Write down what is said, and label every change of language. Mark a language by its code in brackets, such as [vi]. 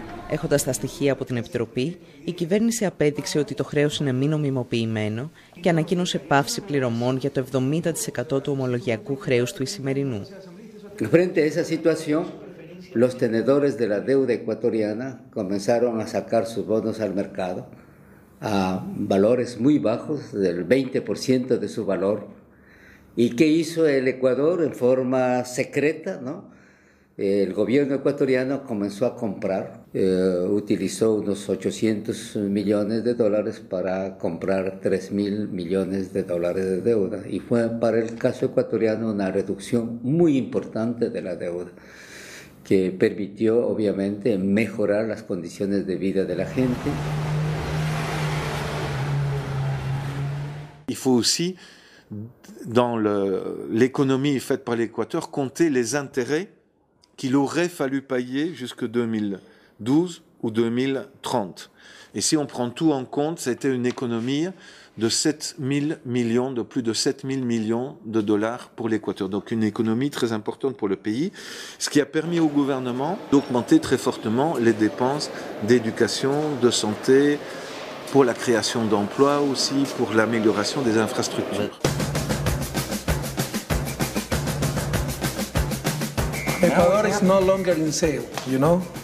[el] Έχοντας τα στοιχεία από την Επιτροπή, η κυβέρνηση απέδειξε ότι το χρέος είναι μη νομιμοποιημένο και ανακοίνωσε παύση πληρωμών για το 70% του ομολογιακού χρέους του εισημερινού. [es] Frente a esa situación, los tenedores de la deuda ecuatoriana comenzaron a sacar sus bonos al mercado a valores muy bajos, del 20% de su valor. ¿Y qué hizo el Ecuador en forma secreta, no? El gobierno ecuatoriano comenzó a comprar, utilizó unos 800 millones de dólares para comprar 3.000 millones de dólares de deuda. Y fue para el caso ecuatoriano una reducción muy importante de la deuda, que permitió obviamente mejorar las condiciones de vida de la gente. [fr] Il faut aussi, dans l'économie faite par l'Équateur, compter les intérêts qu'il aurait fallu payer jusque 2012 ou 2030. Et si on prend tout en compte, c'était une économie de 7000 millions, de plus de 7000 millions de dollars pour l'Équateur. Donc une économie très importante pour le pays, ce qui a permis au gouvernement d'augmenter très fortement les dépenses d'éducation, de santé, pour la création d'emplois aussi, pour l'amélioration des infrastructures. [en] Ecuador is no longer in sale, you know?